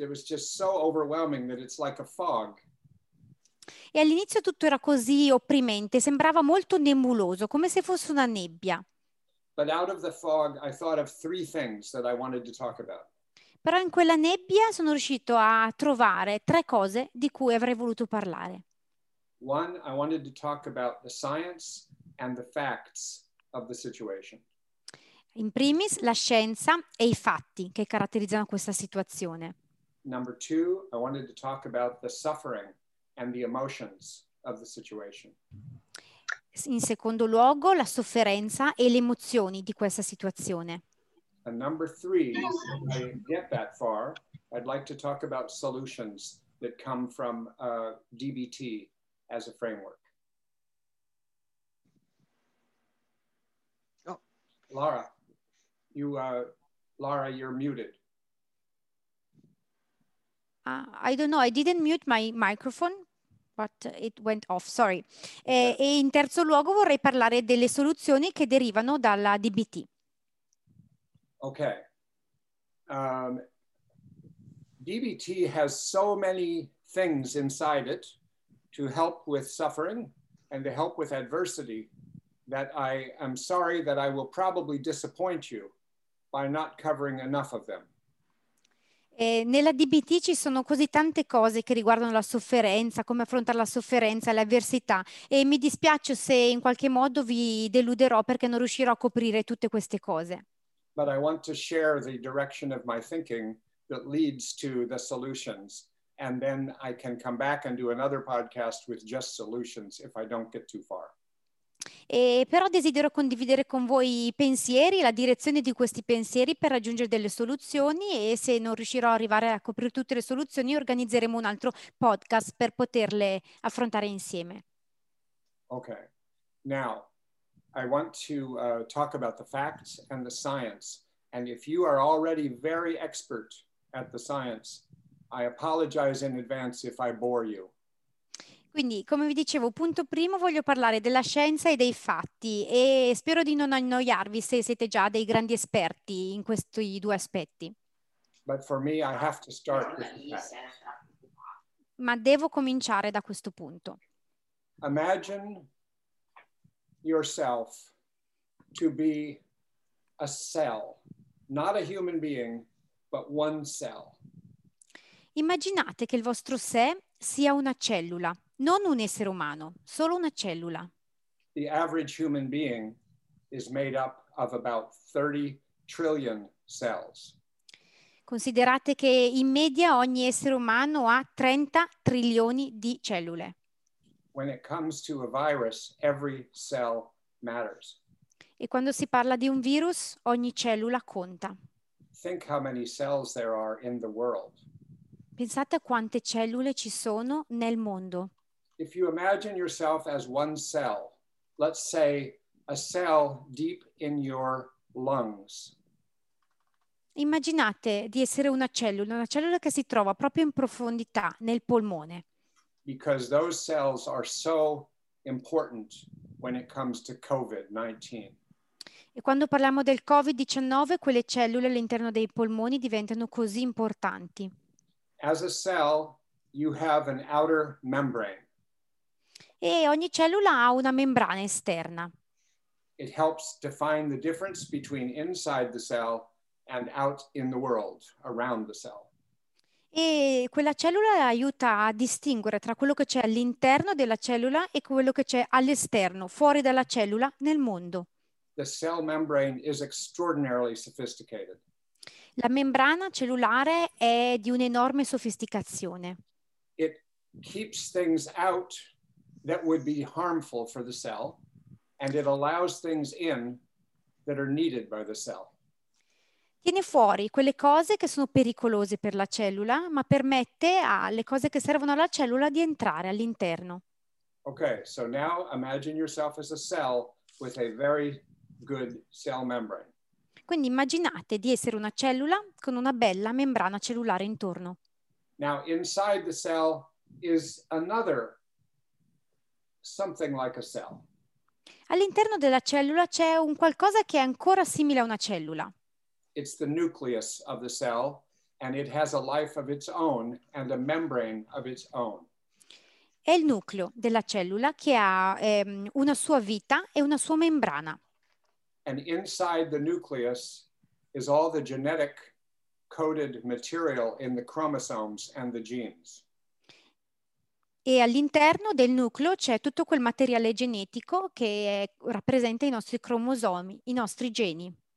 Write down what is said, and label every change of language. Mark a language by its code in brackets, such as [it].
[en] It was just so overwhelming that it's like a fog. [it] E all'inizio tutto era così opprimente, sembrava molto nebuloso, come se fosse una nebbia. [en] But out of the fog, I thought of three things that I wanted to talk about. [it] Però in quella nebbia sono riuscito a trovare tre cose di cui avrei voluto parlare. [en] One, I wanted to talk about the science and the facts of the situation. [it] In primis, la scienza e i fatti che caratterizzano questa situazione. [en] Number two, I wanted to talk about the suffering and the emotions of the situation. [it] In secondo luogo, la sofferenza e le emozioni di questa situazione. [en] And number three, if I get that far, I'd like to talk about solutions that come from DBT as a framework. Oh, Laura. You, Laura, you're muted. I don't know. I didn't mute my microphone, but it went off. Sorry. Okay. [it] E in terzo luogo vorrei parlare delle soluzioni che derivano dalla DBT. [en] Okay. DBT has so many things inside it to help with suffering and to help with adversity that I am sorry that I will probably disappoint you by not covering enough of them. [it] Nella DBT ci sono così tante cose che riguardano la sofferenza, come affrontare la sofferenza, le avversità, e mi dispiace se in qualche modo vi deluderò perché non riuscirò a coprire tutte queste cose. [en] But I want to share the direction of my thinking that leads to the solutions, and then I can come back and do another podcast with just solutions if I don't get too far. [it] Però desidero condividere con voi i pensieri, la direzione di questi pensieri per raggiungere delle soluzioni e se non riuscirò a arrivare a coprire tutte le soluzioni organizzeremo un altro podcast per poterle affrontare insieme. [en] Okay, now I want to talk about the facts and the science, and if you are already very expert at the science, I apologize in advance if I bore you. [it] Quindi, come vi dicevo, punto primo voglio parlare della scienza e dei fatti e spero di non annoiarvi se siete già dei grandi esperti in questi due aspetti. [en] But for me, I have to start with the facts. [it] Ma devo cominciare da questo punto. [en] Imagine yourself to be a cell, not a human being, but one cell. [it] Immaginate che il vostro sé sia una cellula. Non un essere umano, solo una cellula. [en] The average human being is made up of about 30 trillion cells. [it] Considerate che in media ogni essere umano ha 30 trilioni di cellule. [en] When it comes to a virus, every cell matters. [it] E quando si parla di un virus, ogni cellula conta. [en] Think how many cells there are in the world. [it] Pensate a quante cellule ci sono nel mondo. [en] If you imagine yourself as one cell, let's say a cell deep in your lungs. [it] Immaginate di essere una cellula che si trova proprio in profondità nel polmone. [en] Because those cells are so important when it comes to COVID-19. [it] E quando parliamo del COVID-19, quelle cellule all'interno dei polmoni diventano così importanti. [en] As a cell, you have an outer membrane. [it] E ogni cellula ha una membrana esterna. [en] It helps define the difference between inside the cell and out in the world, around the cell. [it] E quella cellula aiuta a distinguere tra quello che c'è all'interno della cellula e quello che c'è all'esterno, fuori dalla cellula, nel mondo. [en] the cell membrane is extraordinarily sophisticated. [it] La membrana cellulare è di un'enorme sofisticazione. [en] It keeps things out that would be harmful for the cell, and it allows things in that are needed by the cell. [it] Tiene fuori quelle cose che sono pericolose per la cellula, ma permette alle cose che servono alla cellula di entrare all'interno. [en] Okay, so now imagine yourself as a cell with a very good cell membrane. [it] Quindi immaginate di essere una cellula con una bella membrana cellulare intorno. [en] Now inside the cell is another something like a cell. [it] All'interno della cellula c'è un qualcosa che è ancora simile a una cellula. [en] It's the nucleus of the cell, and it has a life of its own and a membrane of its own. [it] È il nucleo della cellula che ha una sua vita e una sua membrana. [en] And inside the nucleus is all the genetic coded material in the chromosomes and the genes. [it] E all'interno del nucleo c'è tutto quel materiale genetico che rappresenta i nostri cromosomi, i nostri geni.